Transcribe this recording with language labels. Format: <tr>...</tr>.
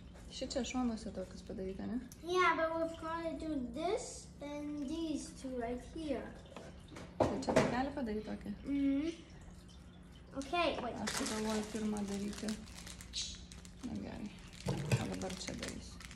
<lt>Šičia šonuose tokius padaryta, ne?</lt> <en>Yeah, but we've got to do this and these two right here.</en> <lt>Šičia tai gali padaryti tokį?</lt> <en>Okay, wait.</en> <lt>Aš sugalvoju pirmą daryti. Na gerai. A dabar čia darysiu.</lt>